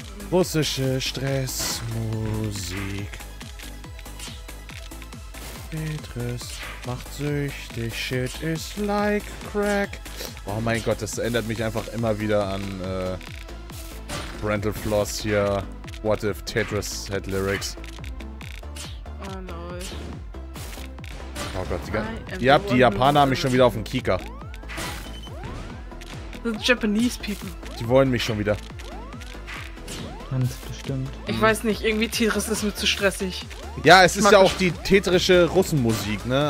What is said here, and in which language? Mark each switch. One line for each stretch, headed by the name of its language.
German: Russische Stressmusik. Tetris macht süchtig.
English: Shit is like crack.
German: Oh mein Gott, das erinnert mich einfach immer wieder an Brental Floss hier.
English: What if Tetris had lyrics? Oh
German: no. Oh Gott, die Japaner haben mich schon wieder auf den Kieker.
English: The Japanese people.
German: Die wollen mich schon wieder. Ganz bestimmt. Ich weiß nicht, irgendwie Tetris ist mir zu stressig. Ja, es ist ja auch die tetrische Russenmusik, ne?